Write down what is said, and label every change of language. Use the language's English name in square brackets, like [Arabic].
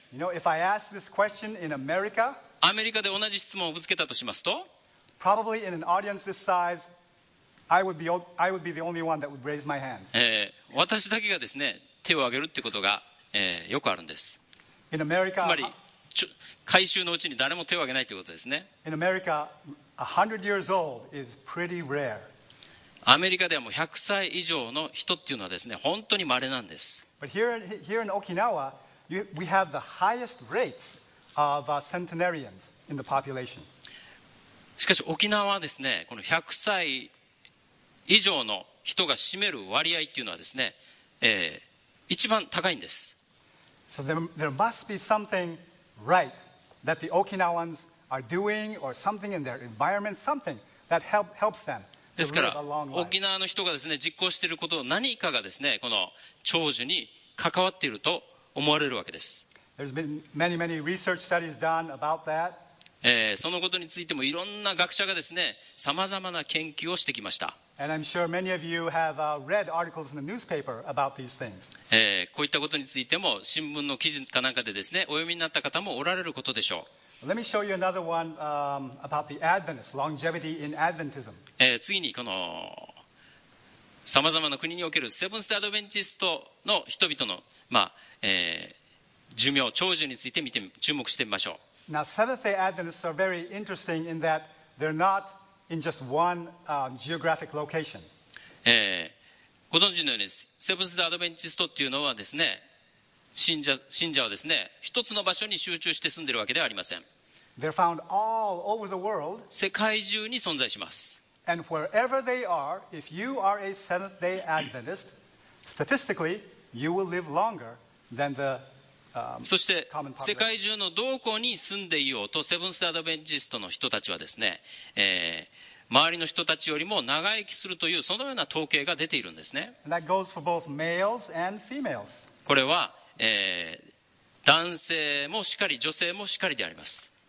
[English] You know, if I ask this question in America, [Japanese] アメリカで同じ質問をぶつけたとしますと、 [English] probably in an audience this size, I would be the only one that would raise my hands. [Japanese] 私だけがですね、手を挙げるってことが、よくあるんです。 [English] In America, [Japanese] つまり、回収のうちに誰も手を挙げないということですね。 [English] In America, 100 years old is pretty rare. [Japanese] アメリカではもう100歳以上の人っていうのはですね、本当に稀なんです。 [English] But here in Okinawa, we have the highest rates of centenarians in the population. [Japanese] しかし沖縄はですね、この100歳以上の人が占める割合っていうのはですね、一番高いんです。 [English] So there must be something right that the Okinawans are doing or something in their environment, something that helps them to live a long life. [Japanese] ですから、沖縄の人がですね、実行していること、何かがですね、この長寿に関わっていると思われるわけです。 [English] There's been many, many research studies done about that. [Japanese] そのことについてもいろんな学者がですね、さまざまな研究をしてきました。 [English] And I'm sure many of you have read articles in the newspaper about these things. [Japanese] こういったことについても新聞の記事かなんかでですね、お読みになった方もおられることでしょう。 [English] Let me show you another one about the Adventists, longevity in Adventism. [Japanese] 次にこのさまざまな国におけるセブンス・アドベンチストの人々の、寿命、長寿について見て注目してみましょう。 [English] Now, Seventh-day Adventists are very interesting in that they're not in just one geographic location. [Japanese] ご存知のようにセブンス・アドベンチストっていうのはですね、信者はですね、一つの場所に集中して住んでいるわけではありません。 [English] They're found all over the world. [Japanese] 世界中に存在します。 [English] And wherever they are, if you are a Seventh-day Adventist, statistically, you will live longer than the [Japanese] そして世界中のどこに住んでいようとセブンス・アドベンチストの人たちはですね、周りの人たちよりも長生きするというそのような統計が出ているんですね。これは、男性もしかり女性もしかりであります。